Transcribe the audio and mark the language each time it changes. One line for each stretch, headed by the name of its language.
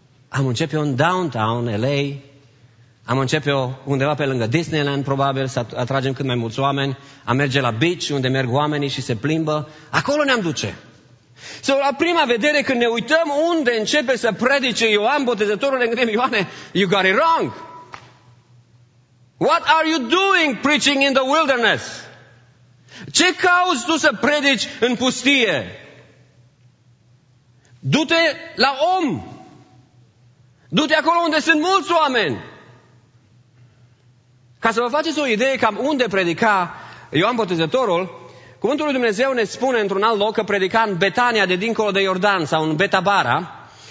Romanian: Am început în downtown LA. Am început undeva pe lângă Disneyland, probabil, să atragem cât mai mulți oameni. Am merge la beach, unde merg oamenii și se plimbă. Acolo ne-am duce. Sau la prima vedere, când ne uităm unde începe să predice Ioan Botezătorul, ne gândim,
English: Ioane, you got it wrong. What are you doing preaching in the wilderness?
Romanian: Ce cauți tu să predici în pustie? Du-te la om. Du-te acolo unde sunt mulți oameni. Ca să vă faceți o idee cam unde predica Ioan Botezătorul, Cuvântul lui Dumnezeu ne spune într-un alt loc că predica în Betania, de dincolo de Iordan, sau în Betabara.